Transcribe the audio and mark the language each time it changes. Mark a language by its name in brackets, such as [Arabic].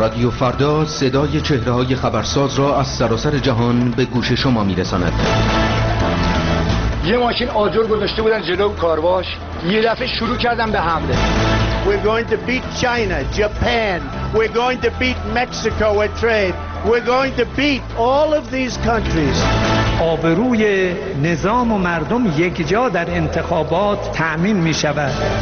[Persian] فردا صدای چهره‌های خبرساز را از سراسر جهان به گوش شما می‌رساند. یه ماشین آجر گذاشته بودن جلوی کارواش، یه دفعه شروع کردن به حمله. [English] We're going to beat China, Japan. We're going to beat Mexico at trade. We're going to beat all of these countries. [Persian] آبروی نظام و مردم یک جا در انتخابات تأمین می شود.